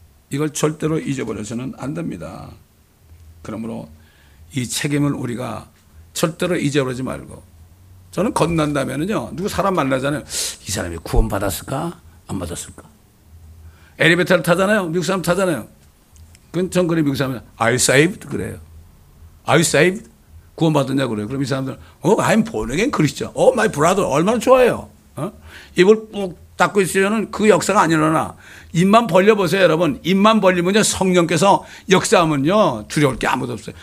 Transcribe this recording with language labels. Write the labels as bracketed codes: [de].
[ko] 이걸 절대로 잊어버려서는 안 됩니다. 그러므로 이 책임을 우리가 절대로 잊어버리지 말고, 저는 건난다면은요, 누구 사람 만나잖아요. 이 사람이 구원 받았을까? 안 받았을까? 엘리베이터를 타잖아요. 미국 사람 타잖아요. 그건 전 그래 미국 사람이 [en] Are you saved? [ko] 그래요. [en] Are you saved? [ko] 구원 받았냐 그래요. 그럼 이 사람들 [en] I'm born again Christian. Oh my brother. [ko] 얼마나 좋아요. 입을 꾹 닫고 있으면 그 역사가 안 일어나. 입만 벌려보세요 여러분. 입만 벌리면 성령께서 역사하면요 두려울 게 아무도 없어요.